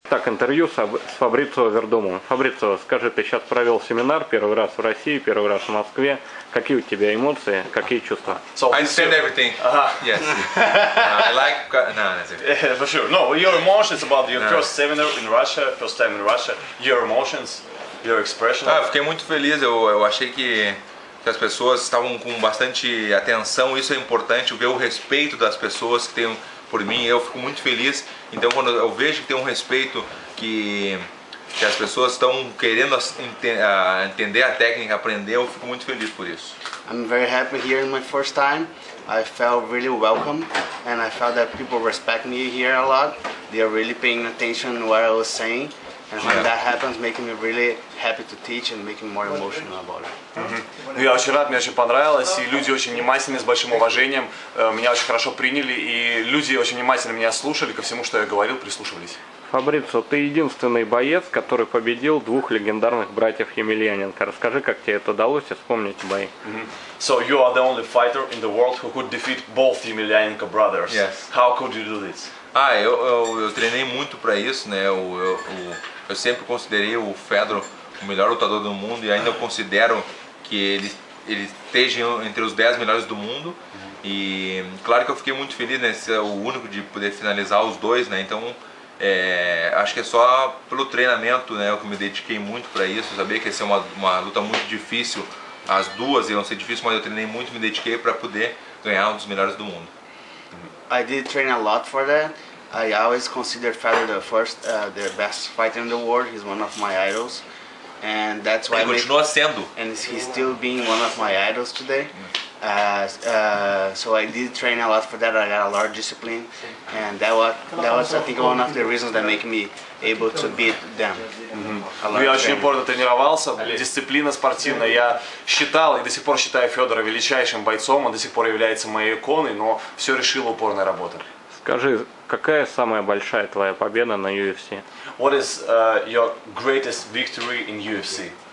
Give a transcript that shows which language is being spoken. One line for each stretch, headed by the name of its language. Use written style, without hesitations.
Russian: Так, интервью с Фабрицио Вердумо. Фабрицио, скажи, ты сейчас провел семинар первый раз в России, первый раз в Москве. Какие у тебя эмоции, какие чувства?
English: So, I understand everything. Yes. I like. For sure. No, your emotions about your first seminar in Russia, first time in Russia, your emotions, your expression.
Portuguese: Ah, fiquei muito feliz. Eu achei que as pessoas estavam com bastante atenção. Isso é importante, ver o respeito das pessoas que têm por mim. Eu fico muito feliz. Então, quando eu vejo que tem um respeito, que as pessoas estão querendo entender a técnica, aprender, eu fico muito feliz por isso.
English: I'm very happy here in my first time. I felt really welcome and I felt that people respect me here a lot. They are really paying attention to what I was saying. And when that happens, making me really happy to teach and making me more emotional about it. Mm-hmm.
Russian: Я очень рад, мне очень понравилось, и люди очень внимательны, с большим уважением. Меня очень хорошо приняли, и люди очень внимательно меня слушали, ко всему, что я говорил, прислушивались. Фабрицио, ты единственный боец, который победил двух легендарных братьев Емельяненко. Расскажи, как тебе это удалось, и вспомни эти бои. Mm-hmm.
English: So you are the only fighter in the world who could defeat both Емельяненко brothers. Yes. How could you do this?
Portuguese: Ah, eu treinei muito para isso, né? Eu sempre considerei o Fedor o melhor lutador do mundo e ainda eu considero que ele esteja entre os 10 melhores do mundo. E claro que eu fiquei muito feliz, né? Ser o único de poder finalizar os dois, né? Então, acho que é só pelo treinamento, né? Eu que me dediquei muito para isso. Eu sabia que ia ser uma luta muito difícil, as duas iam ser difíceis, mas eu treinei muito, me dediquei para poder ganhar um dos melhores do mundo.
English: I did train a lot for that. I always considered Fedor the first, the best fighter in the world. He's one of my idols, and that's why.
Portuguese: Ele continua sendo.
English: And he's still being one of my idols today. So I did train a lot for that. I got a lot of discipline, and that was I think one of the reasons that make me able to beat them. Mm-hmm.
Russian: Я очень упорно тренировался, дисциплина спортивная. Я считал и до сих пор считаю Федора величайшим бойцом. Он до сих пор является моей иконой, но все решило упорная работа. Скажи, какая самая большая твоя победа на UFC?
English: What is your greatest victory in UFC?